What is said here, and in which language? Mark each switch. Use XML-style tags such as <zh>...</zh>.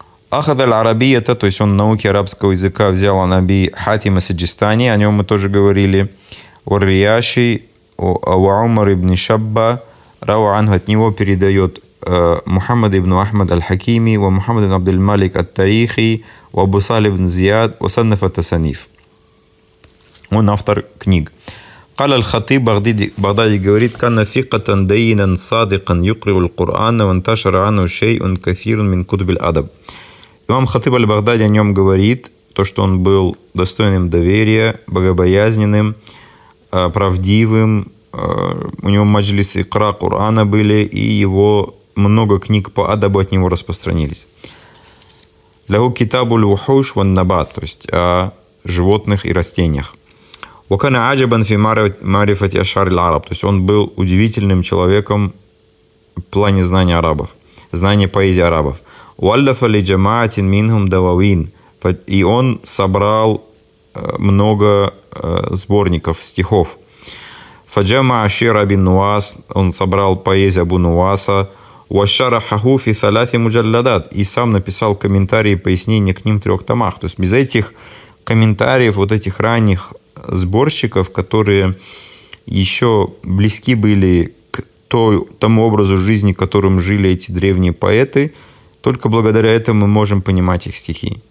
<ru>Ахад аль-Арабията, то есть он науки арабского языка взял у Наби Хатима Саджистани, о нем мы тоже говорили, ур-Рияши, ва-Умар ибн Шабба, рау-Анху, от него передает Мухаммад ибн Ахмад аль-Хакими, ва-Мухаммад ибн Абдул-Малик ат-Тарихи, ва-Бусал ибн Зияд, ва-Саннаф ат-Тасаниф. Он автор книг.</ru> <ar>قال الخطيب بغدادي</ar> <ru>говорит</ru> <ar>كان ثقة دينا صادقا يقرأ القرآن وانتشر عنه شيء كثير من كتب الأدب.</ar> <ru>Имам Хатиб аль-Багдади о нем говорит, то, что он был достойным доверия, богобоязненным, правдивым. У него маджлисы икра Кур'ана были, и его много книг по адабу от него распространились. Лаху китабу аль-вухуш ван-набат, то есть о животных и растениях.</ru> <ar>وكان عجبا في معرفة أشعار العرب.</ar> <ru>То есть он был удивительным человеком в плане знания арабов, знания поэзии арабов.</ru> <ar>وألف لجماعة منهم دواوين.</ar> <ru>И он собрал много сборников стихов.</ru> <ar>فجمع شعر أبي نواس.</ar> <ru>Он собрал поэзию Абу Нуваса.</ru> <ar>وشرحه في ثلاث مجلدات.</ar> <ru>И сам написал комментарии и пояснения к ним в трех томах. То есть без этих комментариев, вот этих ранних сборщиков, которые еще близки были к тому образу жизни, которым жили эти древние поэты, только благодаря этому мы можем понимать их стихи.</ru>